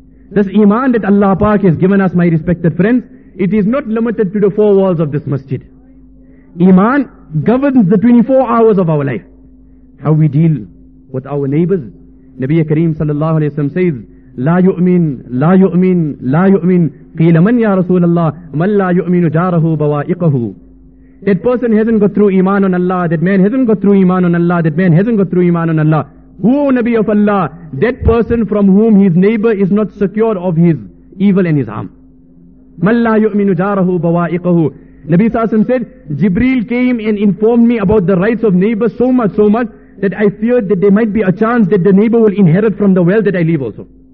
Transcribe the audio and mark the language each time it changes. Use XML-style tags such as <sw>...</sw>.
<en>This Iman that Allah Pak has given us, my respected friends, it is not limited to the four walls of this masjid. Iman governs the 24 hours of our life. How we deal with our neighbors. Nabi Kareem sallallahu alayhi wa sallam says,</en> <ar>La yu'min, la yu'min, la yu'min. قيل من يا رسول الله من لا يؤمن جاره بوائقه.</ar> <en>That person hasn't got through Iman on Allah. That man hasn't got through Iman on Allah. That man hasn't got through Iman on Allah. Who, O Nabi of Allah? That person from whom his neighbor is not secure of his evil and his harm.</en> <ar>من لا يؤمن جاره بوائقه.</ar> <en>Nabi sallallahu alayhi wa sallam said, Jibreel came and informed me about the rights of neighbors so much that I feared that there might be a chance that the neighbor will inherit from the wealth that I leave also.</en>